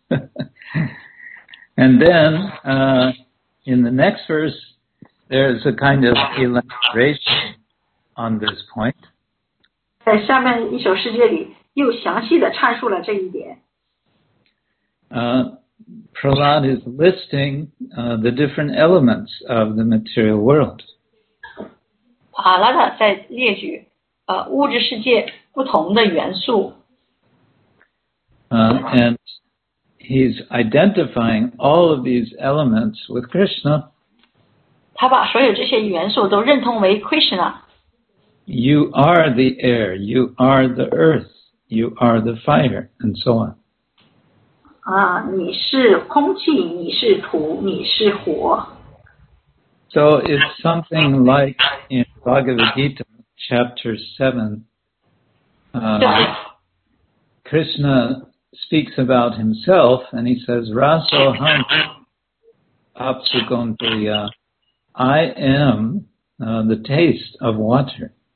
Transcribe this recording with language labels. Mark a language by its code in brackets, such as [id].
[en] And then, in the next verse, there's a kind of elaboration on this point. [zh] 在下面一首诗节里又详细地阐述了这一点。 [en] Prahlad is listing the different elements of the material world. [zh] Prahlad 在列举物质世界不同的元素。 [en] And he's identifying all of these elements with Krishna. [zh] 他把所有这些元素都认同为 Krishna. [en] You are the air, you are the earth, you are the fire, and so on. [zh] 你是空气，你是土，你是火。 [en] So it's something like in Bhagavad Gita, chapter 7, Krishna speaks about himself and he says, [sa] Rasoham apsugantaya, [en] I am the taste of water.